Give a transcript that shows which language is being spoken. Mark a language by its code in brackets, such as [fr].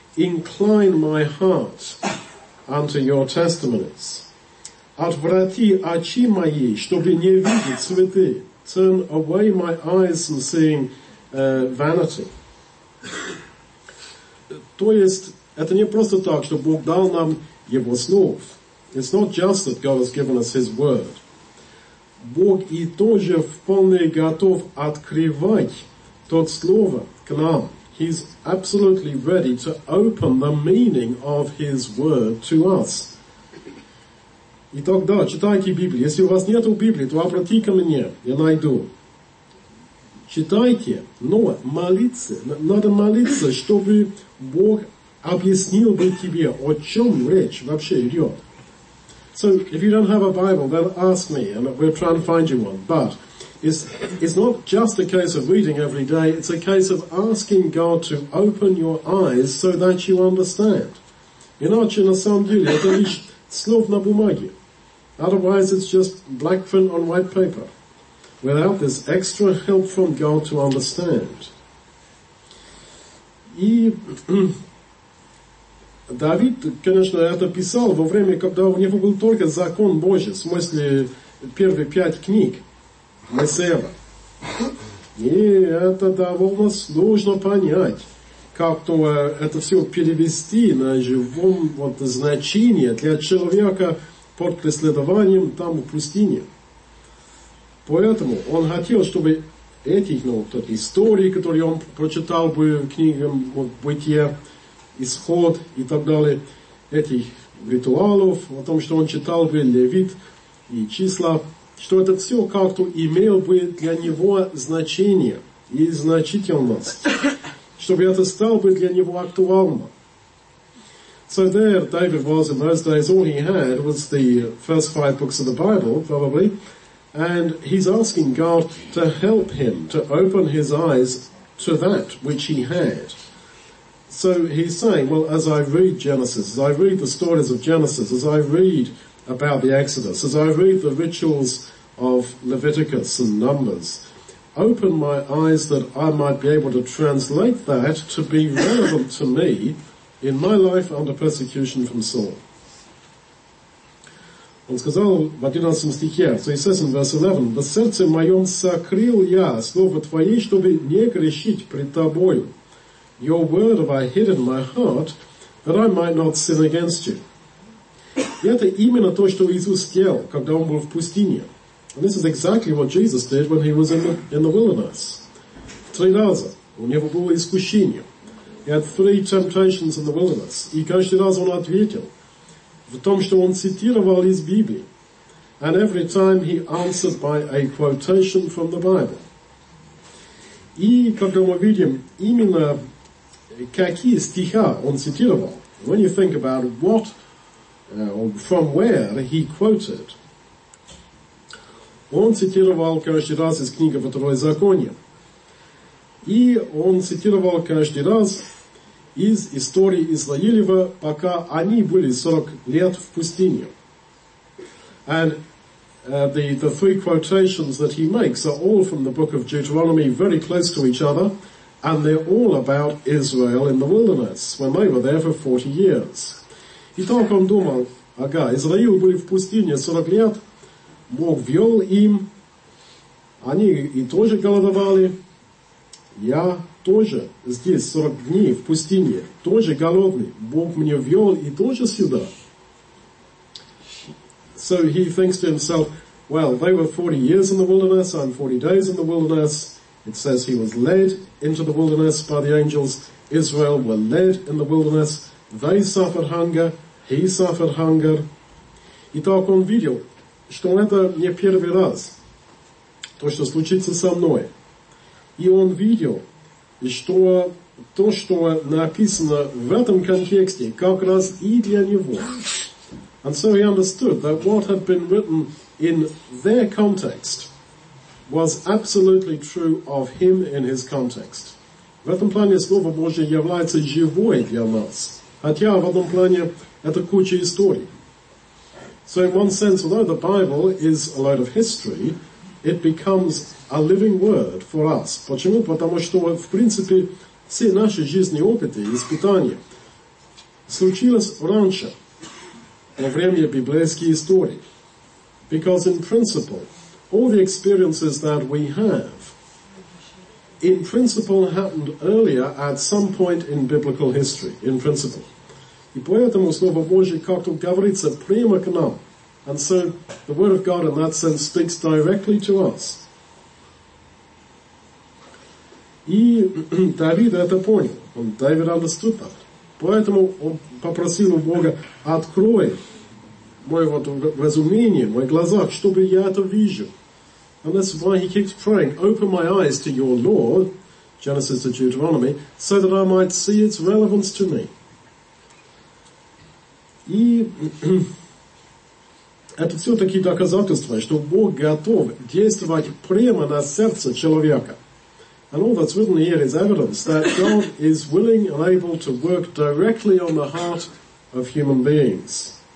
[en] Incline my heart unto your testimonies». [ru] «Отврати очи мои, чтобы не видеть цветы». [en] «Turn away my eyes from seeing vanity». [ru] То есть, это не просто так, что Бог дал нам Его слов. [en] It's not just that God has given us His word. [ru] Бог и тоже вполне готов открывать тот слово к нам. [en] He's absolutely ready to open the meaning of His word to us. [ru] Итак, да, читайте Библию. Если у вас нет Библии, то обратите ко мне, я найду. Читайте, но молиться, надо молиться, чтобы Бог объяснил бы тебе, о чем речь вообще идет. [en] So, if you don't have a Bible, then ask me, and we'll try and find you one. But it's not just a case of reading every day, it's a case of asking God to open your eyes so that you understand. [ru] Иначе, на самом деле, это лишь слов на бумаге. [en] Otherwise, it's just black print on white paper. Without this extra help from God to understand. [ru] И Давид, конечно, это писал во время, когда у него был только закон Божий, в смысле первые пять книг Моисеева. И это довольно сложно понять, как-то это все перевести на живом вот, значение для человека под преследованием там в пустыне. Поэтому он хотел, чтобы эти, ну, тот истории, которые он прочитал бы в книгах вот, «Бытие», «Исход» и так далее, этих ритуалов, о том, что он читал бы «Левит» и «Числа», что это все как-то имело бы для него значение и значительность, чтобы это стало бы для него актуально. [en] So there David was in those days, all he had was the first five books of the Bible, probably, and he's asking God to help him, to open his eyes to that which he had. So he's saying, well, as I read Genesis, as I read the stories of Genesis, as I read about the Exodus, as I read the rituals of Leviticus and Numbers, open my eyes that I might be able to translate that to be relevant to me in my life under persecution from Saul. [ru] Он сказал в 11 стихе, [en] so he says in verse 11, [ru] «Во сердце моем сокрыл я слово Твое, чтобы не грешить пред Тобою. [en] Your word have I hid in my heart, that I might not sin against you». [ru] И это именно то, что Иисус сделал, когда Он был в пустыне. [en] And this is exactly what Jesus did when He was in the wilderness. [ru] Три раза у Него было искушение. [en] He had three temptations in the wilderness. [ru] И каждый раз Он ответил в том, что Он цитировал из Библии. [en] And every time He answered by a quotation from the Bible. [ru] И, когда мы видим, именно какие стиха Он цитировал. [en] When you think about what, from where He quoted. [ru] Он цитировал каждый раз из книги Второзакония. И Он цитировал каждый раз из истории Израилева, пока они были 40 лет в пустыне. [en] And the three quotations that he makes are all from the book of Deuteronomy, very close to each other, and they're all about Israel in the wilderness, when they were there for 40 years. [ru] Итак, он думал, ага, Израиль были в пустыне 40 лет, Бог вел им, они и тоже голодовали, Я тоже здесь 40 дней в пустыне, тоже голодный. Бог меня ввел и тоже сюда. [en] So he thinks to himself, well, they were 40 years in the wilderness, I'm 40 days in the wilderness. It says he was led into the wilderness by the angels. Israel were led in the wilderness. They suffered hunger, he suffered hunger. [ru] Итак, он видел, что это не первый раз, то, что случится со мной. И он видел, что то, что написано в этом контексте, как раз и для него. [en] And so he understood that what had been written in their context was absolutely true of him in his context. [ru] В этом плане Слово Божие является живой для нас. Хотя в этом плане это куча историй. [en] So in one sense, although the Bible is a load of history, it becomes a living word for us. [ru] Почему? Потому что, в принципе, все наши жизненные опыты, испытания случились раньше, во время библейской истории. [en] Because in principle, all the experiences that we have, in principle, happened earlier at some point in biblical history, in principle. [ru] И поэтому Слово Божие как-то говорится прямо к нам. [en] And so the Word of God in that sense speaks directly to us. [ru] И Давид это понял. Давид [en] understood that. [ru] Поэтому он попросил у Бога, открой мое вот разумение, мои глаза, чтобы я это вижу. [en] And that's why he keeps praying, open my eyes to your law, Genesis to Deuteronomy, so that I might see its relevance to me. [ru] И это все-таки доказательство, что Бог готов действовать прямо на сердце человека. [en] And all that's written here is evidence that God is willing and able to work directly on the heart of human beings.